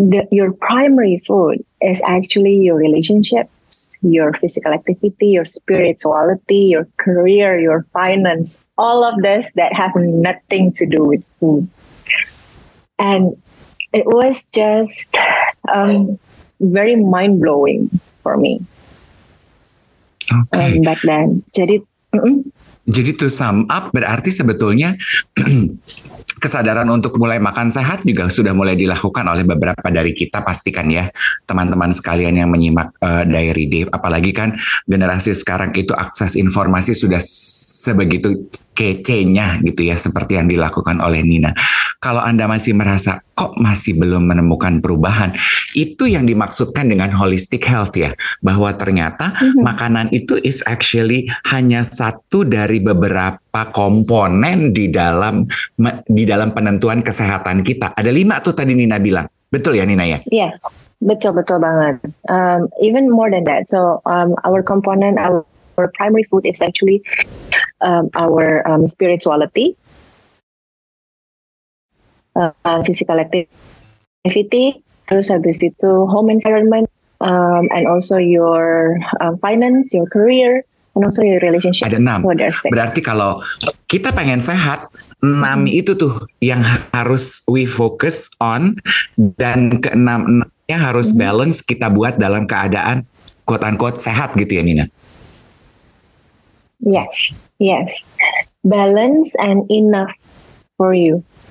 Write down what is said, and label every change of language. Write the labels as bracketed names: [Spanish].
[English] Your primary food is actually your relationships, your physical activity, your spirituality, your career, your finance, all of this that have nothing to do with food. And it was just very mind-blowing for me. Okay. Back then. Jadi, [Indonesian] jadi [English] to sum up, [Indonesian] berarti sebetulnya kesadaran untuk mulai makan sehat juga sudah mulai dilakukan oleh beberapa dari kita, pastikan ya teman-teman sekalian yang menyimak Diary Dave. Apalagi kan generasi sekarang itu akses informasi sudah sebegitu kece-nya gitu ya, seperti yang dilakukan oleh Nina. Kalau Anda masih merasa kok masih belum menemukan perubahan, itu yang dimaksudkan dengan holistic health ya, bahwa ternyata makanan itu [English] is actually [Indonesian] hanya satu dari beberapa komponen di dalam penentuan kesehatan kita. Ada lima tuh tadi Nina bilang, betul ya Nina ya? Yes, betul banget. [English] Even more than that, so our component, our primary food is actually our spirituality, physical activity, [Indonesian] terus habis itu [English] home environment, and also your finance, your career, and also your relationship. [Indonesian] Ada enam. [English] So there's six. [Indonesian] Berarti kalau kita pengen sehat, enam itu tuh yang harus [English] we focus on, [Indonesian] dan keenamnya harus balance kita buat dalam keadaan [English] quote unquote [Indonesian] sehat gitu ya Nina. [English] Yes, balance and enough for you.